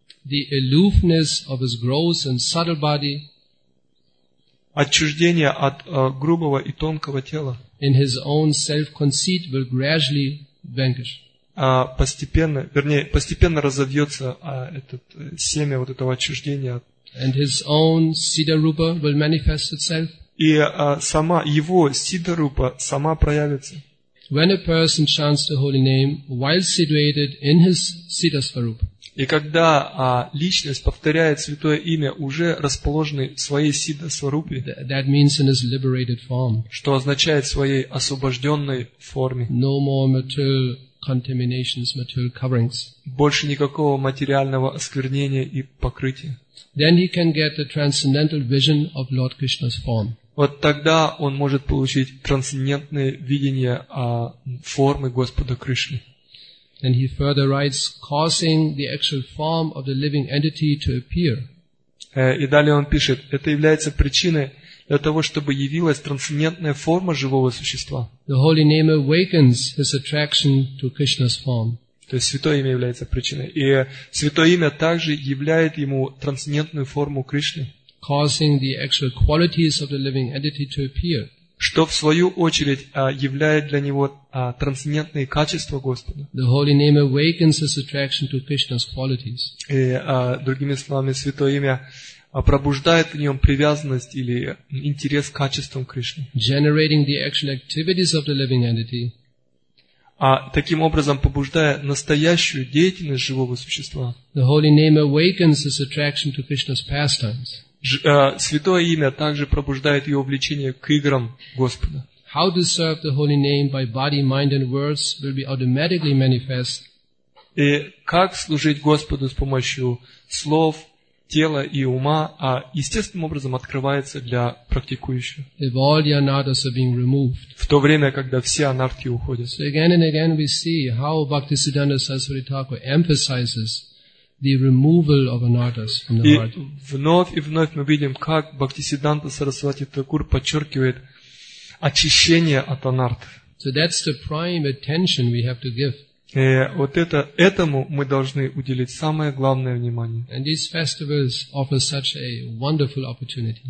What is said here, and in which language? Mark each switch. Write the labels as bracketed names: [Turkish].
[English] the aloofness of his gross and subtle body, [Russian] отчуждение от грубого и тонкого тела, [English] in his own self-conceit will gradually vanquish. [Russian] Постепенно, вернее, постепенно разовьется этот семя вот этого отчуждения. [English] And his own siddha-rupa will manifest itself. [Russian] И сама его сиддарупа сама проявится. [English] When a person chants the holy name while situated in his siddha svarupa. [Russian] И когда личность повторяет святое имя уже расположенной в своей сиддха сварупе. [English] That means in his liberated form. [Russian] Что означает в своей освобожденной форме. [English] No more material contaminations, material coverings. [Russian] Больше никакого материального осквернения и покрытия. [English] Then he can get the transcendental vision of Lord Krishna's form. [Russian] Вот тогда он может получить трансцендентное видение формы Господа Кришны. [English] And he further writes, causing the actual form of the living entity to appear. [Russian] И далее он пишет, это является причиной для того, чтобы явилась трансцендентная форма живого существа. [English] The holy name awakens his attraction to Krishna's form. [Russian] То есть Святое Имя является причиной. И Святое Имя также являет ему трансцендентную форму Кришны. [English] Causing the actual qualities of the living entity to appear. [Russian] Что в свою очередь являет для него трансцендентные качества Господа. [English] The holy name awakens his attraction to Krishna's qualities. [Russian] И другими словами, Святое Имя пробуждает в нем привязанность или интерес к качествам Кришны. [English] Generating the actual activities of the living entity. [Russian] А таким образом побуждая настоящую деятельность живого существа. [English] The holy name awakens his attraction to Krishna's pastimes. [Russian] Святое имя также пробуждает ее увлечение к играм Господа. [English] How to serve the holy name by body, mind and words will be automatically manifest. [Russian] И как служить Господу с помощью слов, тела и ума, а естественным образом открывается для практикующего. [English] If all the anarthas are being removed. [Russian] В то время, когда все анархи уходят. [English] So again and again we see how Bhaktisiddhanta Saraswati Thakur emphasizes the removal of anarthas from the heart. [Russian] И вновь и вновь мы видим, как Бхактисиддханта Сарасвати Такур подчеркивает очищение от анартов. [English] So that's the prime attention we have to give. [Russian] И вот это, этому мы должны уделить самое главное внимание. [English] And these festivals offer such a wonderful opportunity.